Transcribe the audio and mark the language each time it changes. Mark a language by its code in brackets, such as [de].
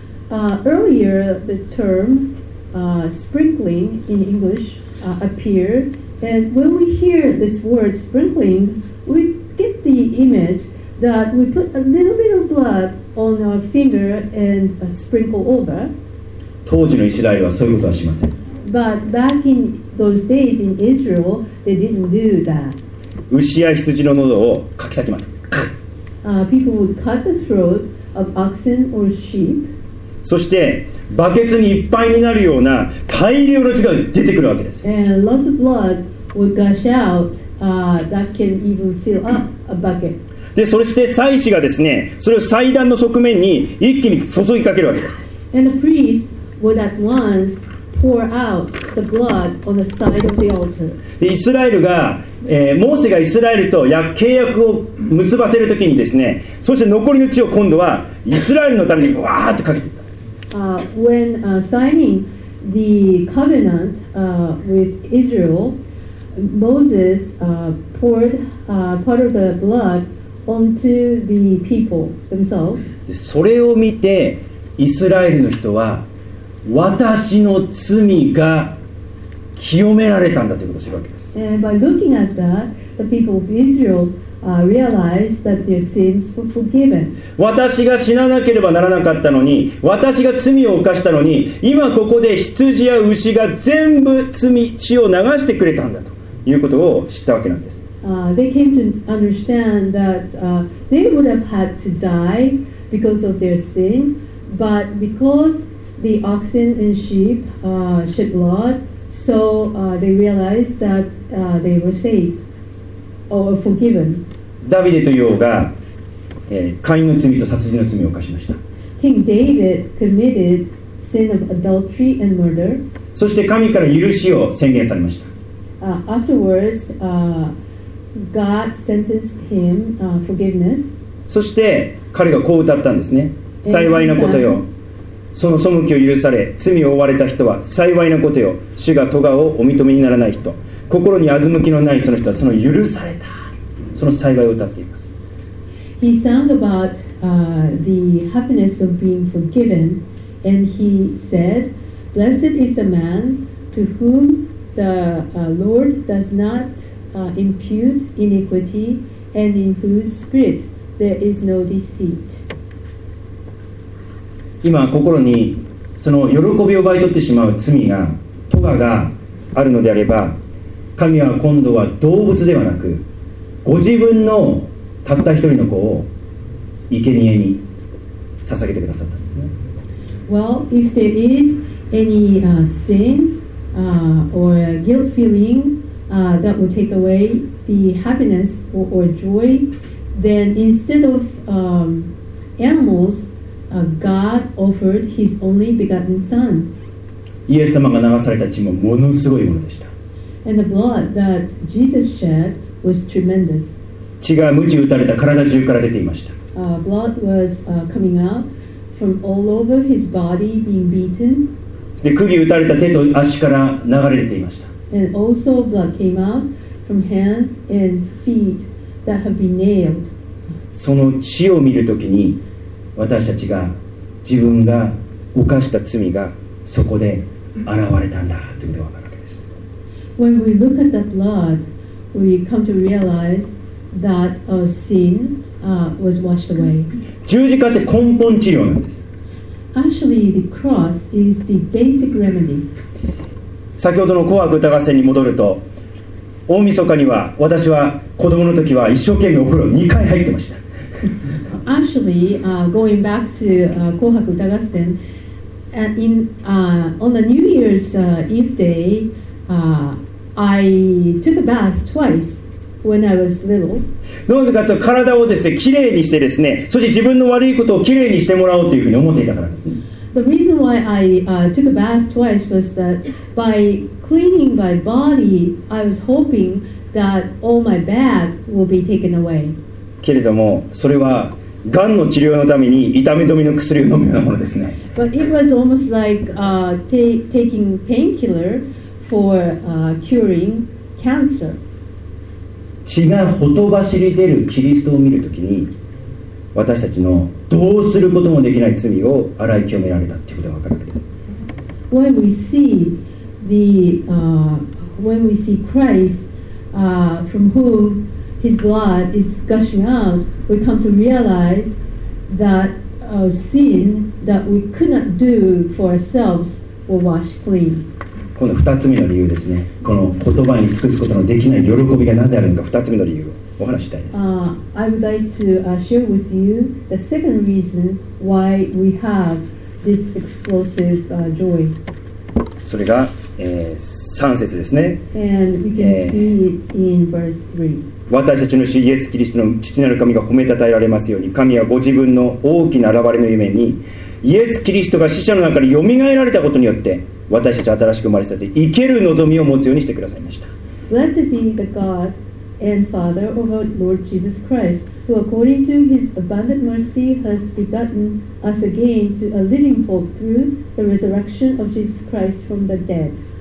[en] Earlier, the term sprinkling in English appeared, and when we hear this word sprinkling, we get the image. That we put a little bit of blood on our finger and a sprinkle over. [ja] 当時のイスラエルはそういうことはしません。 [en] But back in those days in Israel, they didn't do that. [ja] 牛や羊の喉をかき裂きます。 [en] People would cut the throat of oxen or sheep. [ja] そしてバケツにいっぱいになるような大量の血が出てくるわけです。 [en] And lots of blood would gush out, that can even fill up a bucket. [ja] でそして祭司がですね、それを祭壇の側面に一気に注ぎかけるわけです。 [en] And the priest would at once pour out the blood on the side of the altar. [ja] でイスラエルが、モーセがイスラエルと契約を結ばせるときにですね、そして残りの血を今度はイスラエルのためにわーっとかけていったんです。 [en] When signing the covenant with Israel, Moses poured part of the bloodonto the people themselves. [ja] それを見てイスラエルの人は私の罪が清められたんだということを知るわけです。 [en] And by looking at that, the people of Israel realized that their sins were forgiven. [ja] 私が死ななければならなかったのに、私が罪を犯したのに、今ここで羊や牛が全部罪、血を流してくれたんだということを知ったわけなんです。 [en] They came to understand that they would have had to die because of their sin, but because the oxen and sheep shed blood, so they realized that they were saved or forgiven. [ja] ダビデという王が、姦淫の罪と殺人の罪を犯しました。 [en] King David committed sin of adultery and murder. [ja] そして神から許しを宣言されました。 [en] Afterwards, God sentenced him, forgiveness. [ja] そして彼がこう歌ったんですね。幸いなことよ、その背きを許され罪を負われた人は幸いなことよ、主が咎をお認めにならない人、心に欺きのないその人はその許された、その幸いを歌っています。 [en] He sang about the happiness of being forgiven, and he said, Blessed is a man to whom the Lord does notimpute iniquity, and in whose spirit there is no deceit. [ja] 今心にその喜びを奪い取ってしまう罪が、トガがあるのであれば、神は今度は動物ではなく、ご自分のたった一人の子を生贄に捧げてくださったんですね。 [en] Well, if there is any sin or guilt feeling, that will take away the happiness or joy, then instead of animals, God offered His only begotten Son. [ja] イエス様が流された血もものすごいものでした。 [en] And the blood that Jesus shed was tremendous. [ja] 血が鞭打たれた体中から出ていました。 [en] Blood was coming out from all over his body, being beaten. [ja] で、釘打たれた手と足から流れ出ていました。 [en] And also blood came out from hands and feet that have been nailed. [ja] その血を見るときに、私たちが自分が犯した罪がそこで現れたんだということがわかるわけです。 [en] When we look at that blood, we come to realize that our sin, was washed away. [ja] 十字架って根本治療なんです。 [en] Actually, the cross is the basic remedy. [ja] 先ほどの紅白歌合戦に戻ると、大晦日には私は子供の時は一生懸命お風呂2回入ってました。 [en] Actually, going back to 紅白歌合戦。 In, on the New Year's Eve day, I took a bath twice when I was little. [ja] なんでかと体をですね、きれいにしてですね、そして自分の悪いことをきれいにしてもらおうというふうに思っていたからですね。 [en] The reason why I took a bath twice was that by cleaning my body, I was hoping that all my bad will be taken away. [ja] けれども、それはがんの治療のために痛み止めの薬を飲むようなものですね。 [en] But it was almost like taking painkiller for curing cancer. [ja] 血がほとばしり出るキリストを見るときに、私たちのどうすることもできない罪を洗い清められたということがわかるわけです。 [en] When we see Christ, from whom His blood is gushing out, we come to realize that our sin that we could not do for ourselves were washed clean. [ja] この2つ目の理由ですね。この言葉に尽くすことのできない喜びがなぜあるのか、2つ目の理由をお話したいです。 [en] I would like to share with you the second reason why we have this explosive joy. [ja] それが、3節ですね。 [en] And we can see it in verse 3. [ja] 私たちの主イエス・キリストの父なる神が褒めたたえられますように、神はご自分の大きな現れの夢にイエス・キリストが死者の中によみがえられたことによって、私たちは新しく生まれさせ、生ける望みを持つようにしてくださいました。 [en] Blessed be the God and Father of our Lord Jesus Christ, who according to his abundant mercy has begotten us again to a living hope through the resurrection of Jesus Christ from the dead.